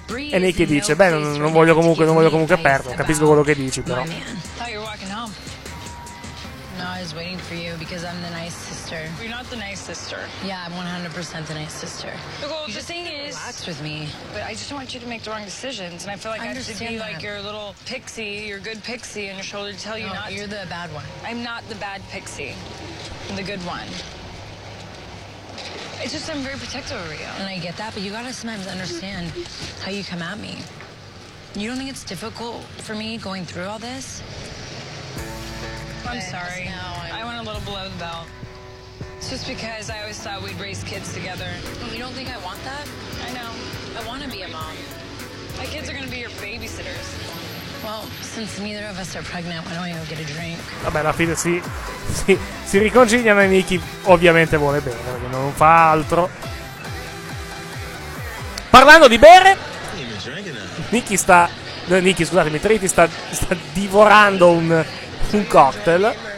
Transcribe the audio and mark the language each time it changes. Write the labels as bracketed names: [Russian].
[Italian] E Nikki dice, beh, non voglio comunque perderlo, capisco quello che dici, però. [English] Is waiting for you because I'm the nice sister. You're not the nice sister. Yeah, I'm 100% the nice sister. Nicole, the thing is, relax with me. But I just don't want you to make the wrong decisions, and I feel like I should be that. Like your little pixie, your good pixie on your shoulder to tell no, you not. You're the bad one. I'm not the bad pixie. I'm the good one. It's just I'm very protective over you. And I get that, but you gotta sometimes understand how you come at me. You don't think it's difficult for me going through all this? I'm sorry. I went a little below the belt. just because I always thought we'd raise kids together. You don't think I want that? I know. I want to be a mom. My kids are going to be your babysitters. Well, since neither of us are pregnant, why don't we go get a drink? [Italian] Vabbè, alla fine si riconciliano e Nikki ovviamente vuole bere, perché non fa altro. Parlando di bere, Trinity sta divorando un cocktail.